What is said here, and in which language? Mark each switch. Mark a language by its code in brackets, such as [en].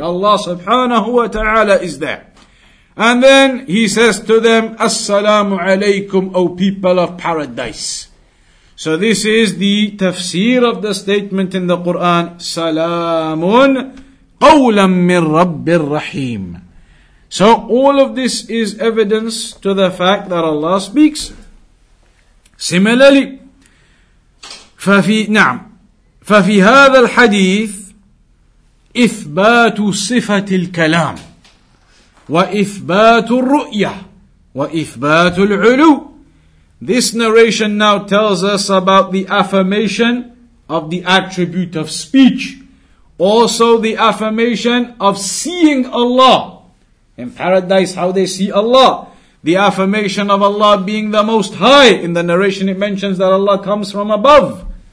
[en] Allah subhanahu wa ta'ala is there. And then he says to them, As-salamu alaykum, O people of paradise. So this is the tafsir of the statement in the Quran, [ar] Salamun qawlam min rabbir rahim. [en] So all of this is evidence to the fact that Allah speaks. Similarly, [ar] ففي هذا الحديث إثبات صفة الكلام وإثبات الرؤية وإثبات العلو. [en] This narration now tells us about the affirmation of the attribute of speech, also the affirmation of seeing Allah in paradise, how they see Allah. The affirmation of Allah being the Most High. In the narration it mentions that Allah comes from above.